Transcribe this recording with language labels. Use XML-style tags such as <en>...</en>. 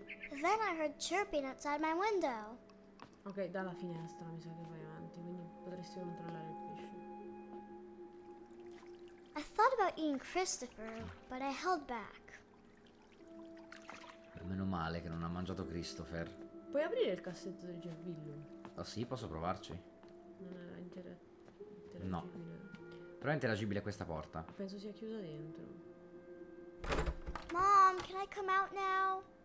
<en>Then I heard chirping outside my window.</en> <it>Ok, dalla finestra mi sa che vai avanti, quindi potresti controllare il pesce.</it> <en>I thought about eating Christopher, but I held back.</en> <it>Meno male che non ha mangiato Christopher. Puoi aprire il cassetto del gerbillo? Oh sì, posso provarci. Non è interagibile. No. Però è interagibile questa porta. Penso sia chiusa dentro.</it> <en>Mom, can I come out now?</en>